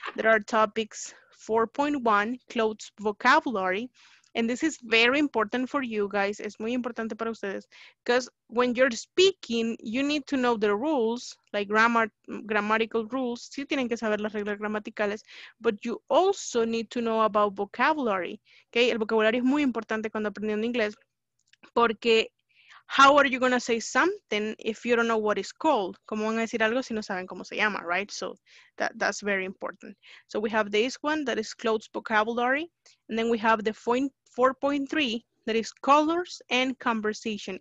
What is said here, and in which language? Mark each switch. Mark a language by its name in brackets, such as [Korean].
[English] There are topics 4.1, clothes vocabulary. And this is very important for you guys. [Spanish] Es muy importante para ustedes. [English] Because when you're speaking, you need to know the rules, like grammatical rules. [Spanish] Sí tienen que saber las reglas gramaticales. [English] But you also need to know about vocabulary. Okay? [Spanish] El vocabulario es muy importante cuando aprendiendo inglés. [English] Porque how are you going to say something if you don't know what it's called? [Spanish] ¿Cómo van a decir algo si no saben cómo se llama, right? [English] So that's very important. So we have this one that is clothes vocabulary. And then we have the 4.3 that is colors and conversation.